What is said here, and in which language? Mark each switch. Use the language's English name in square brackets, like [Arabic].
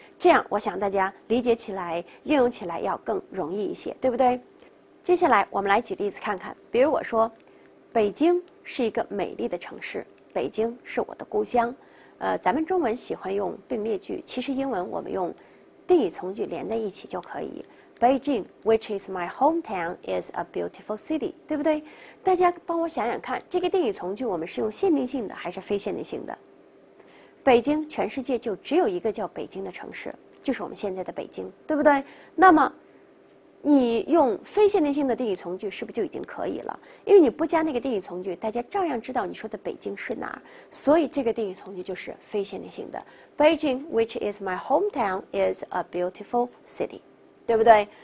[Chinese] 这样我想大家理解起来应用起来要更容易一些，对不对？接下来我们来举例子看看。比如我说北京是一个美丽的城市，北京是我的故乡。咱们中文喜欢用并列句，其实英文我们用定语从句连在一起就可以。 [English] Beijing, which is my hometown, is a beautiful city, [Chinese] 对不对？大家帮我想想看，这个定语从句我们是用限定性的还是非限定性的？北京，全世界就只有一个叫北京的城市，就是我们现在的北京，对不对？那么，你用非限定性的定语从句是不是就已经可以了？因为你不加那个定语从句，大家照样知道你说的北京是哪儿，所以这个定语从句就是非限定性的。 [English] Beijing, which is my hometown, is a beautiful city. [Chinese] 对不对？